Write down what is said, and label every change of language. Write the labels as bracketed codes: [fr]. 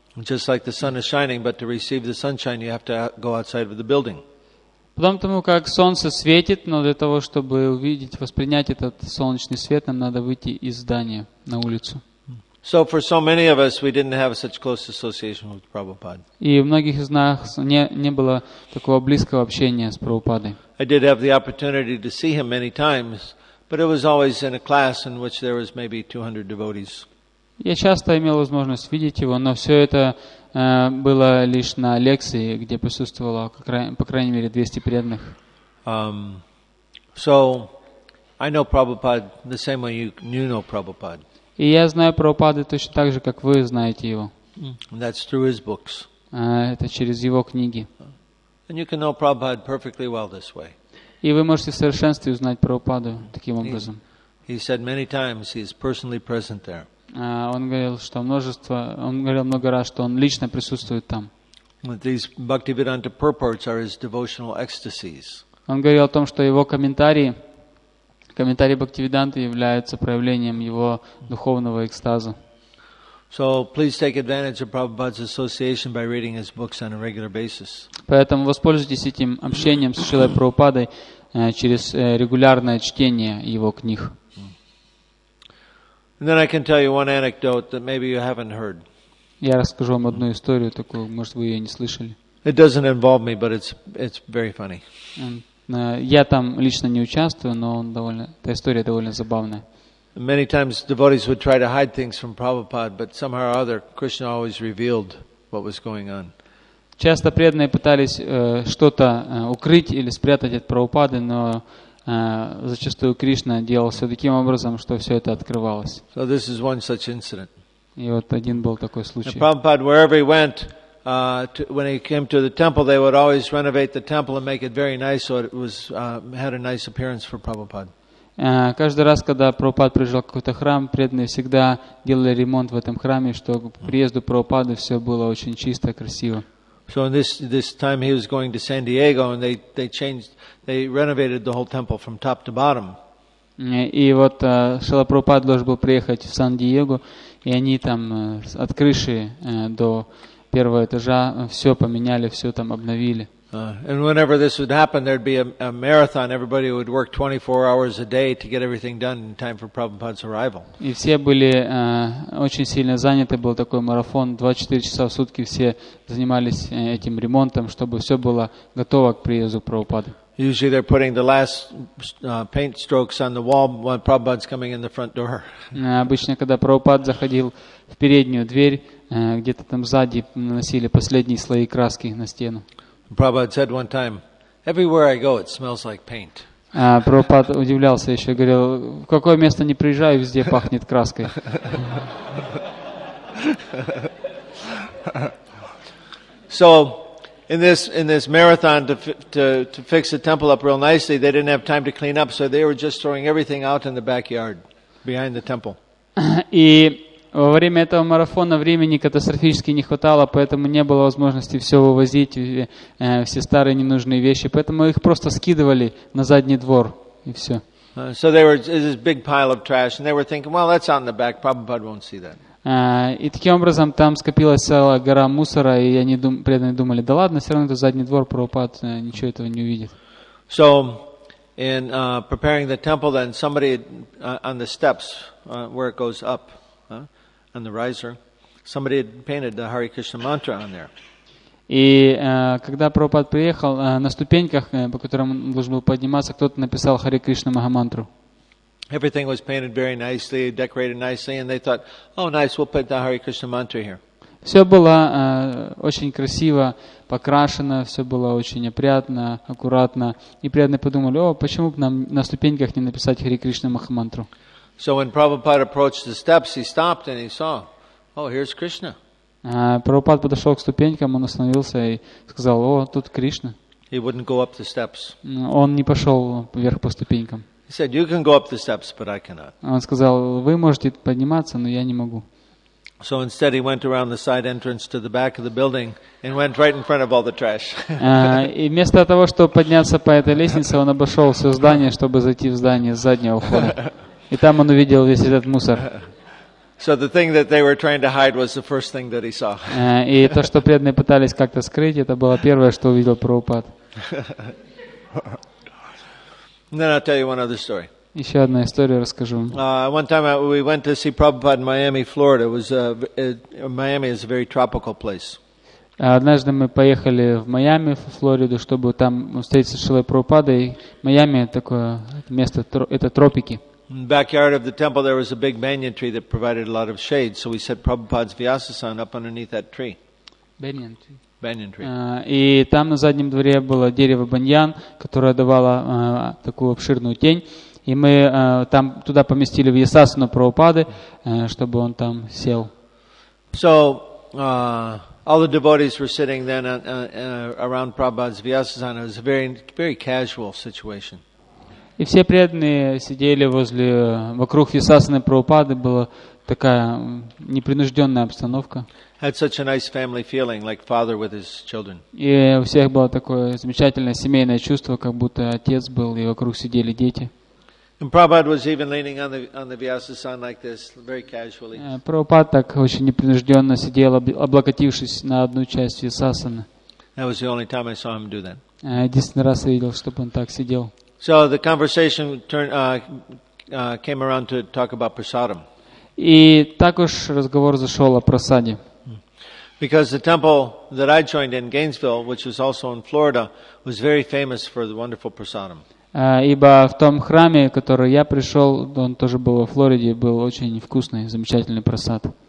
[en] Just like the sun is shining, but to receive the sunshine, you have to go outside of the building. [ru] Потом тому, как солнце светит, но для того, чтобы увидеть, воспринять этот солнечный свет, нам надо выйти из здания на улицу. [en] So for so many of us, we didn't have such close association with Prabhupada. [ru] И у многих из нас не было такого близкого общения с Прабхупадой. [en] I did have the opportunity to see him many times, but it was always in a class in which there was maybe 200 devotees. [ru] Я часто имел возможность видеть его, но все это было лишь на лекции, где присутствовало по крайней мере 200 преданных. [en] So I know Prabhupada the same way you know Prabhupada. [ru] И я знаю Прабхупаду точно так же, как вы знаете его. [en] That's through his books. [ru] Это через его книги. [en] And you can know Prabhupada perfectly well this way. [ru] И вы можете в совершенстве узнать Прабхупаду таким образом. [en] He said many times he is personally present there. [ru] Он говорил, что множество, он говорил много раз, что он лично присутствует там. [en] These Bhaktivedanta purports are his devotional ecstasies. [ru] Он говорил о том, что его комментарии, комментарии Бхактивиданты являются проявлением его духовного экстаза. [en] So please take advantage of Prabhupada's association by reading his books on a regular basis. [ru] Поэтому воспользуйтесь этим общением с Шрилой Прабхупадой через регулярное чтение его книг. [en] And then I can tell you one anecdote that maybe you haven't heard. [ru] Я расскажу вам одну историю такую, может вы ее не слышали. [en] It doesn't involve me, but it's very funny. [ru] Я там лично не участвую, но эта история довольно забавная. [en] Many times devotees would try to hide things from Prabhupada, but somehow or other Krishna always revealed what was going on. [ru] Часто преданные пытались что-то укрыть или спрятать от Прабхупады, но зачастую Кришна делал все таким образом, что все это открывалось. [en] So this is one such incident. [ru] И вот один был такой случай. [en] And Prabhupada, wherever he went, when he came to the temple, they would always renovate the temple and make it very nice, so it was had a nice appearance for Prabhupada. [ru] Каждый раз, когда Прабхупад приезжал в какой-то храм, преданные всегда делали ремонт в этом храме, чтобы к приезду Прабхупады все было очень чисто, красиво. [en] So in this time he was going to San Diego and they renovated the whole temple from top to bottom. [ru] И вот Шрила Прабхупада должен был приехать в Сан-Диего, и они там от крыши до первого этажа, все поменяли, все там обновили. [en] And whenever this would happen, there'd be a marathon. Everybody would work 24 hours a day to get everything done in time for Prabhupada's arrival. [ru] И все были очень сильно заняты. Был такой марафон, 24 часа в сутки все занимались этим ремонтом, чтобы все было готово к приезду Прабхупады. [en] Usually they're putting the last paint strokes on the wall when Prabhupada's coming in the front door. [ru] Обычно, когда Прабхупад заходил в переднюю дверь, где-то там сзади наносили последние слои краски на стену. [en] Prabhupada said one time, "Everywhere I go, it smells like paint." [ru] Prabhupada удивлялся еще, говорил, в какое место не приезжаю, везде пахнет краской. [en] So, in this marathon to fix the temple up real nicely, they didn't have time to clean up, so they were just throwing everything out in the backyard behind the temple. [ru] Во время этого марафона времени катастрофически не хватало, поэтому не было возможности все вывозить, все старые ненужные вещи. Поэтому их просто скидывали на задний двор, и все. [en] So they were this big pile of trash, and they were thinking, well, that's out in the back, Prabhupada won't see that. [ru] И таким образом там скопилась целая гора мусора, и они преданные думали, да ладно, все равно это задний двор, Прабхупада ничего этого не увидит. [en] So, in preparing the temple, then somebody on the steps, where it goes up, on the riser, somebody had painted the Hare Krishna mantra on there. [ru] И когда Прабхупад приехал на ступеньках, по которым он должен был подниматься, кто-то написал Hare Krishna Mahamantra. [en] Everything was painted very nicely, decorated nicely, and they thought, "Oh, nice, we'll put the Hare Krishna mantra here." [ru] Все было очень красиво покрашено, все было очень опрятно, аккуратно, и преданные подумали, "О, почему бы нам на ступеньках не написать Hare Krishna Mahamantra?" [en] So when Prabhupada approached the steps, he stopped and he saw, oh, here's Krishna. [ru] Prabhupada подошел к ступенькам, он остановился и сказал, о, тут Кришна. [en] He wouldn't go up the steps. [ru] Он не пошел вверх по ступенькам. [en] He said, you can go up the steps, but I cannot. [ru] Он сказал, вы можете подниматься, но я не могу. [en] So instead he went around the side entrance to the back of the building and went right in front of all the trash. [ru] И вместо того, чтобы подняться по этой лестнице, он обошел все здание, чтобы зайти в здание с заднего входа. И там он увидел весь этот мусор. [en] So the thing that they were trying to hide was the first thing that he saw. [ru] И то, что преданные пытались как-то скрыть, это было первое, что увидел Прабхупад. [en] Then I'll tell you one other story. [ru] Еще одна история расскажу. [en] One time we went to see Prabhupada in Miami, Florida. Miami is a very tropical place. [ru] Однажды мы поехали в Майами, в Флориду, чтобы там встретиться с Шрилой Прабхупадой. Майами такое место, это тропики. [en] In the backyard of the temple, there was a big banyan tree that provided a lot of shade. So we set Prabhupada's Vyasa-san up underneath that tree. Banyan tree. [ru] И там на заднем дворе было дерево баньян, которое давало такую обширную тень. И мы там туда поместили Вьясасану Прабхупады, чтобы он там сел. [en] So all the devotees were sitting then around Prabhupada's Vyasa-san. It was a very, very casual situation. [ru] И все преданные сидели возле, вокруг Висасаны Прабхупады, была такая непринужденная обстановка. [en] Had such a nice family feeling, like father with his children. [ru] И у всех было такое замечательное семейное чувство, как будто отец был, и вокруг сидели дети. [en] And Prabhupada was even leaning on the Vyasa-san like this, very casually. [ru] Прабхупада так очень непринужденно сидел, облокотившись на одну часть Висасаны. [en] That was the only time I saw him do that. [ru] Единственный раз я видел, чтобы он так сидел. [en] So the conversation came around to talk about prasadam. [ru] И так уж разговор зашел о прасаде. [en] Because the temple that I joined in Gainesville, which was also in Florida, was very famous for the wonderful prasadam. [ru] Ибо в том храме, который я пришел, он тоже был во Флориде, был очень вкусный, замечательный прасад.